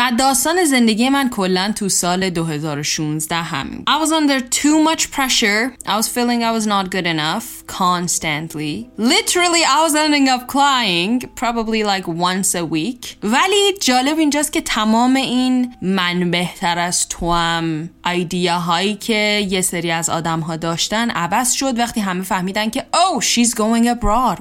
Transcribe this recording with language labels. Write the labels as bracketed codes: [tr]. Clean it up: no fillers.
[fa] و داستان زندگی من کلن تو سال 2016 همین. [en] I was under too much pressure. I was feeling I was not good enough constantly. Literally I was ending up crying probably like once a week. [fa] ولی جالب اینجاست که تمام این من بهتر از تو هم ایده هایی که یه سری از آدم ها داشتن عوض شد وقتی همه فهمیدن که [en] oh she's going abroad.